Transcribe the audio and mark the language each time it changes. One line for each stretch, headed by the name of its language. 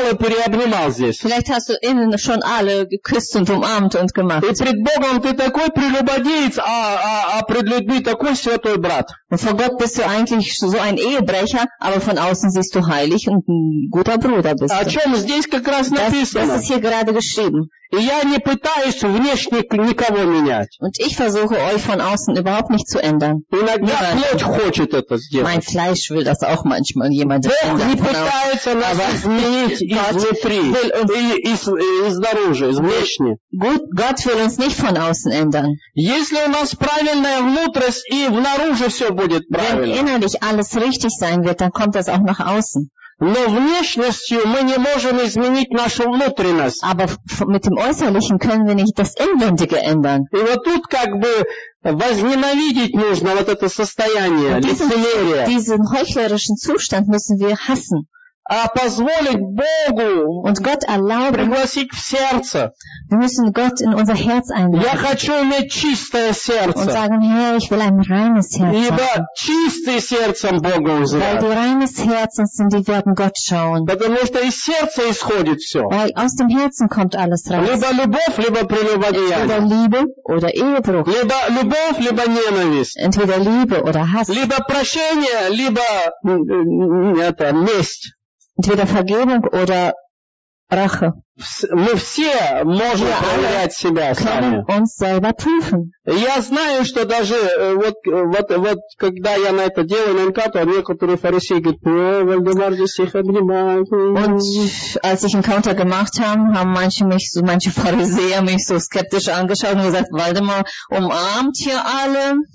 German: Vielleicht hast du innen schon alle geküsst und umarmt und gemacht. Und vor Gott bist du eigentlich so ein Ehebrecher, aber von außen siehst du heilig und ein guter Bruder bist du. Das ist hier gerade geschrieben.
Russian: И я не пытаюсь внешне никого менять.
German: Und ich versuche euch von außen überhaupt nicht zu ändern.
Russian: Иногда плоть хочет это сделать.
German: Mein Fleisch will das auch manchmal jemand ändern.
Russian: Бог не пытается нас изменить изнутри. И снаружи, из внешне.
German: Gott will uns nicht von außen ändern.
Russian: Если у нас правильная внутренность, и внаружи все будет правильно.
German: Wenn innerlich alles richtig sein wird, dann kommt das auch nach außen.
Russian: Но внешностью мы не можем изменить нашу внутренность.
German: Aber mit dem Äußerlichen können wir nicht das Inwendige ändern.
Russian: И вот тут как бы возненавидеть нужно вот это состояние, лицемерие.
German: Diesen heuchlerischen Zustand müssen wir hassen.
Russian: А позволить Богу
German: und Gott erlauben,
Russian: пригласить в сердце.
German: Wir müssen Gott in unser Herz einladen.
Russian: Я хочу иметь чистое сердце.
German: Und sagen, Herr, ich will ein reines Herz.
Russian: Ибо чистым сердцем Богу взирать.
German: Weil du reines Herzen sind, die werden Gott schauen.
Russian: Потому что из сердца исходит все.
German: Weil aus dem Herzen kommt alles raus.
Russian: Либо любовь, либо прелюбодеяние.
German: Entweder Liebe oder Ehebruch.
Russian: Либо любовь, либо ненависть.
German: Entweder Liebe oder Hass.
Russian: Либо прощение, либо это, месть.
German: Entweder Vergebung oder Rache.
Russian: Мы все можем проверять себя сами. Я знаю, что даже вот когда я на это делаю на НКТ, некоторые фарисеи говорят, Вальдемар здесь их обнимает.
German: Und als ich Encounter gemacht habe, haben manche Pharisäer mich so skeptisch angeschaut und gesagt, Вальдемар umarmt hier alle.